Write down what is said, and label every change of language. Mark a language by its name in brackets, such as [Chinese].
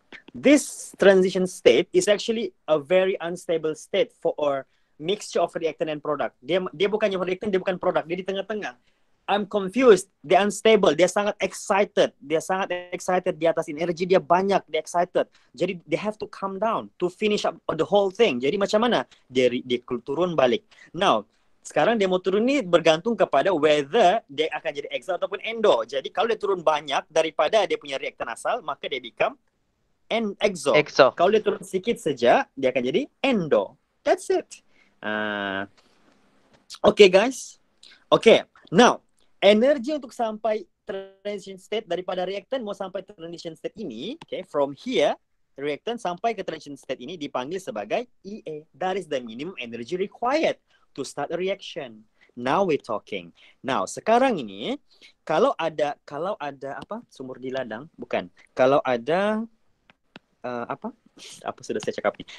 [English] This transition state is actually a very unstable state for a mixture of reactant and product. [Malay] Dia bukannya reactant, dia bukan product. Dia di tengah-tengah. [English] I'm confused. They're unstable. [Malay] They're sangat excited. They're sangat excited di atas energi dia banyak. [English] They're excited. Jadi they have to calm down to finish up the whole thing. [Malay] Jadi macam mana? Dia turun balik. Now, sekarang dia mau turun ini bergantung kepada whether dia akan jadi exo ataupun endo. Jadi kalau dia turun banyak daripada dia punya reaktan asal, maka dia become exo. Exo. Kalau dia turun sedikit saja, dia akan jadi endo. [English] That's it. Okay, guys. [Malay] Okay. Now, energi untuk sampai transition state daripada reaktan mau sampai transition state ini, okay, [English] from here, [Malay] reaktan sampai ke transition state ini dipanggil sebagai EA. [English] That is the minimum energy required to start a reaction. Now we're talking. [Malay] Now, sekarang ini, kalau ada apa? Sumur di ladang? Bukan. Kalau ada, apa? Apa sudah saya cakap ini?